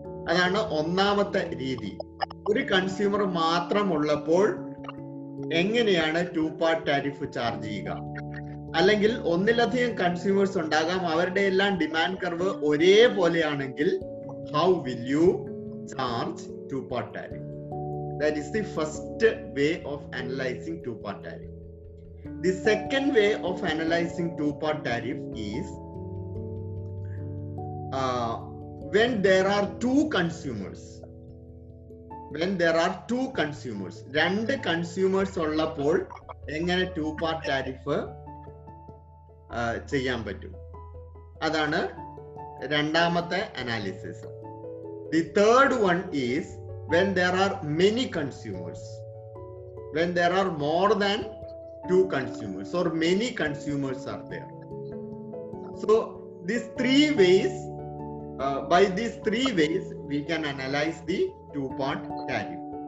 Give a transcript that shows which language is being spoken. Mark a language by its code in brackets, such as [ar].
[ml] അതാണ് ഒന്നാമത്തെ രീതി. ഒരു കൺസ്യൂമർ മാത്രമുള്ളപ്പോൾ എങ്ങനെയാണ് ടു പാർട്ട് ടാരിഫ് ചാർജ് ചെയ്യുക, അല്ലെങ്കിൽ ഒന്നിലധികം കൺസ്യൂമേഴ്സ് ഉണ്ടാകാം, അവരുടെ എല്ലാം demand curve ഒരേപോലെയാണെങ്കിൽ [en] How will you charge two part tariff. That is the first way of analyzing two-part tariff. The second way of analyzing two-part tariff is when there are two consumers. When there are two consumers, [ml] രണ്ട് consumers ഉള്ളപ്പോൾ എങ്ങനെ two-part tariff ചെയ്യാൻ പറ്റും. അതാണ് രണ്ടാമത്തെ analysis. [en] The third one is when there are many consumers, when there are more than two consumers or many consumers are there. So these three ways, by these three ways we can analyze the two part tariff.